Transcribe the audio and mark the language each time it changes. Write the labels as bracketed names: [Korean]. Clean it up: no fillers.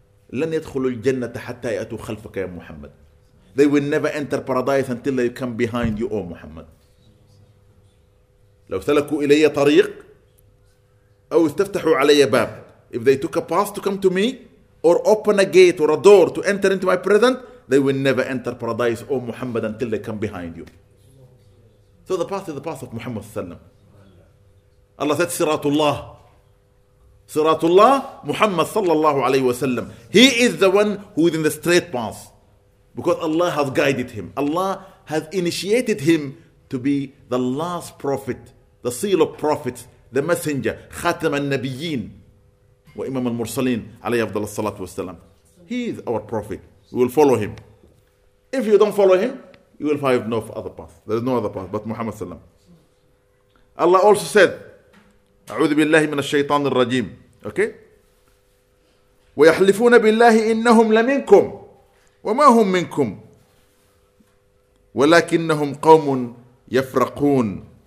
[Arabic] لن يدخلوا الجنة حتى يأتوا خلفك يا محمد. [English] They will never enter paradise until they come behind you, O Muhammad. [Arabic] لو سلكوا إلي طريق أو استفتحوا علي باب. [English] If they took a path to come to me, or open a gate or a door to enter into my presence, they will never enter paradise, O Muhammad, until they come behind you. So the path is the path of Muhammad sallam. Allah said, Siratullah. Siratullah, Muhammad sallallahu alayhi wa sallam. He is the one who is in the straight path. Because Allah has guided him. Allah has initiated him to be the last prophet, the seal of prophets, the messenger, Khatam al-Nabiyyin. [Arabic] وإمام المرسلين عليه أفضل الصلاة والسلام. [English] He is our prophet. We will follow him. If you don't follow him, you will find no other path. There is no other path but Muhammad [Arabic] صلى الله عليه وسلم. [English] Allah also said, [Arabic] أعوذ بالله من الشيطان الرجيم. [English] Okay. [Arabic] ويحلفون بالله إنهم لمنكم وما هم منكم ولكنهم قوم يفرقون.